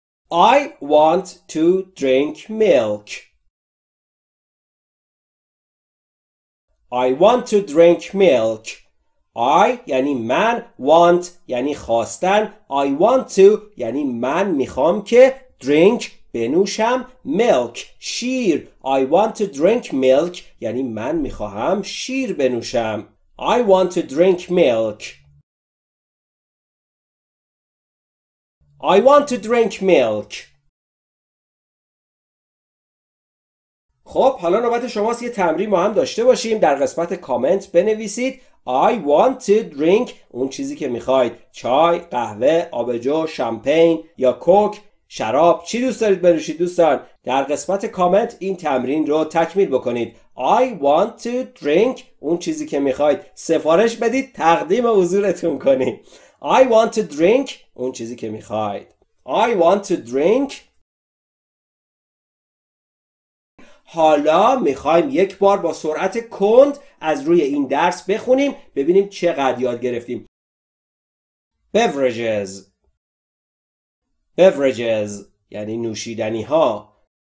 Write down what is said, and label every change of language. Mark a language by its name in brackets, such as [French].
[English] I want to drink milk. I want to drink milk. I [Persian] یعنی من. Want یعنی خواستن. [English] I want to [Persian] یعنی من میخوام که. Drink بنوشم. Milk شیر. [English] I want to drink milk [Persian] یعنی من میخوام شیر بنوشم. [English] I want to drink milk. I want to drink milk. [Persian] خب حالا نوبت شماست یه تمرین ما هم داشته باشیم. در قسمت کامنت بنویسید [English] I want to drink [Persian] اون چیزی که میخواید. چای، قهوه، آبجو، شامپین یا کوک، شراب، چی دوست دارید بنوشید دوستان؟ در قسمت کامنت این تمرین رو تکمیل بکنید. [English] I want to drink [Persian] اون چیزی که میخواید. سفارش بدید تقدیم حضورتون کنیم. [English] I want to drink [Persian] اون چیزی که میخواید. [English] I want to drink. [Persian] حالا میخوایم یک بار با سرعت کند از روی این درس بخونیم ببینیم چقدر یاد گرفتیم. [English] Beverages. [Persian] Beverages یعنی نوشیدنی ها.